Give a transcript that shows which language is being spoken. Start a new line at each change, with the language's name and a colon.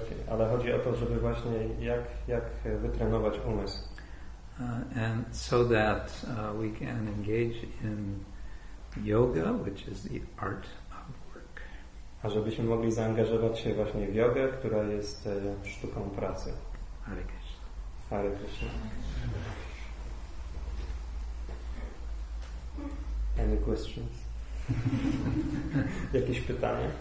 Polish: Ale chodzi o to, żeby właśnie jak wytrenować umysł.
English: And so that we can engage in yoga, which is the art of work.
Polish: A żebyśmy mogli zaangażować się właśnie w jogę, która jest sztuką pracy.
Sanskrit: Hare Krishna. Hare Krishna.
English: Any questions?
Polish: Jakieś pytanie?